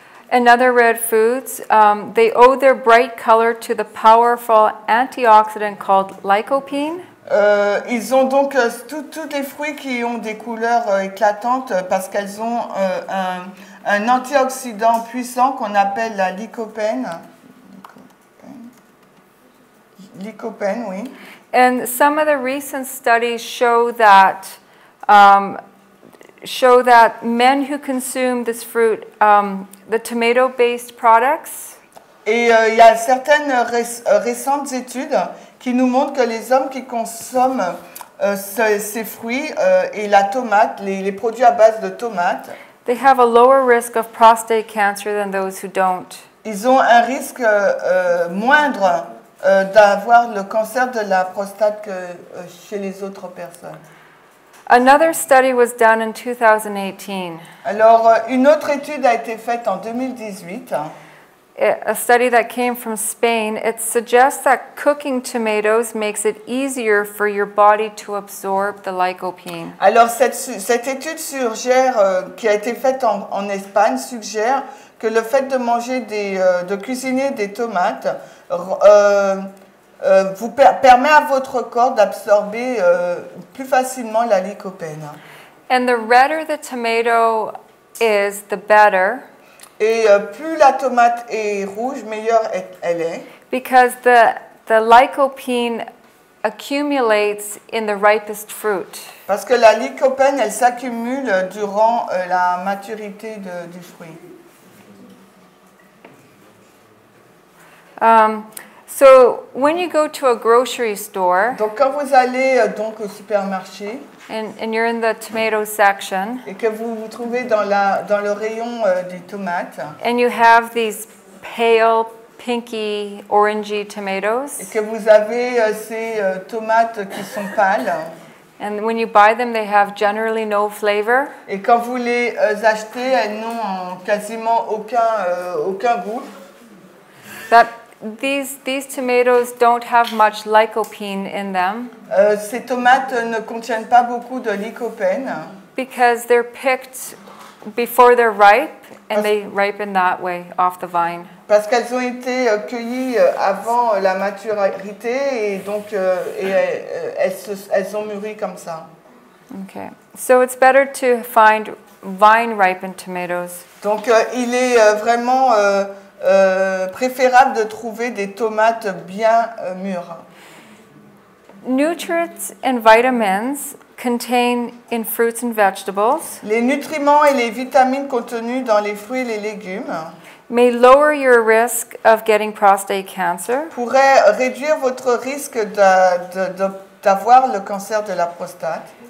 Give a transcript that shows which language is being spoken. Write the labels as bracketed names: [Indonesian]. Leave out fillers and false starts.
[English] And other red foods, they owe their bright color to the powerful antioxidant called lycopene. [French] Ils ont donc tous les fruits qui ont des couleurs éclatantes parce qu'elles ont un antioxydant puissant qu'on appelle la lycopène. Lycopène, oui. [English] And some of the recent studies show that men who consume this fruit, the tomato-based products. [French] Et il y a certaines récentes études qui nous montrent que les hommes qui consomment ces fruits et la tomate, les produits à base de tomate. [English] They have a lower risk of prostate cancer than those who don't. [French] Ils ont un risque moindre. D'avoir le cancer de la prostate que chez les autres personnes. [English] Another study was done in 2018. [French] Alors, une autre étude a été faite en 2018. [English] A study that came from Spain. It suggests that cooking tomatoes makes it easier for your body to absorb the lycopene. [French] Alors, cette étude qui a été faite en Espagne suggère que le fait de manger de cuisiner des tomates vous permet à votre corps d'absorber plus facilement la lycopène. [English] And the redder the tomato is, the better. [French] Et plus la tomate est rouge, meilleure elle est. [English] Because the lycopene accumulates in the ripest fruit. [French] Parce que la lycopène, elle s'accumule durant la maturité du fruit. [English] So when you go to a grocery store, [French] donc quand vous allez donc au supermarché, [English] and you're in the tomato section, [French] et que vous vous trouvez dans le rayon des tomates, [English] and you have these pale, pinky, orangey tomatoes, [French] et que vous avez ces tomates qui sont pâles, [English] and when you buy them, they have generally no flavor, [French] et quand vous les achetez, elles n'ont quasiment aucun goût. [English] That these tomatoes don't have much lycopene in them. [French] Ces tomates ne contiennent pas beaucoup de lycopène. [English] Because they're picked before they're ripe, and they ripen that way off the vine. [French] Parce qu'elles ont été cueillies avant la maturité, et donc elles ont mûri comme ça. [English] Okay, so it's better to find vine-ripened tomatoes. [French] Donc il est vraiment préférable de trouver des tomates bien mûres. [English] Nutrients and vitamins contain in fruits and vegetables. [French] Les nutriments et les vitamines contenus dans les fruits et les légumes [English] may lower your risk of getting prostate cancer. [French] Pourraient réduire votre risque d'avoir le cancer de la prostate.